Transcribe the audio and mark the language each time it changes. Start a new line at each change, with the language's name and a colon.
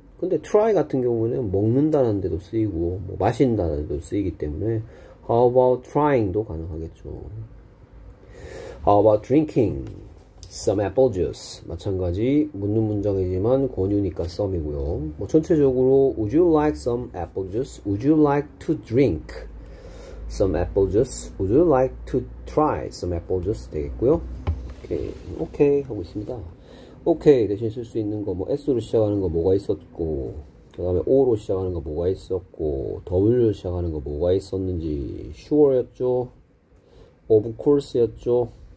Korean: 근데 try 같은 경우에는 먹는다는 데도 쓰이고 뭐 마신다는 데도 쓰이기 때문에
English: How about trying
Korean: 도 가능하겠죠.
English: How about drinking some apple juice?
Korean: 마찬가지, 묻는 문장이지만 권유니까 some이고요. 뭐 전체적으로,
English: Would you like some apple juice? Would you like to drink some apple juice. Would you like to try some apple juice?
Korean: 되겠고요. 오케이. 오케이 하고 있습니다. 오케이 대신 쓸 수 있는 거 뭐 S로 시작하는 거 뭐가 있었고 그 다음에 O로 시작하는 거 뭐가 있었고 W로 시작하는 거 뭐가 있었는지 Sure였죠?
English: Of course였죠?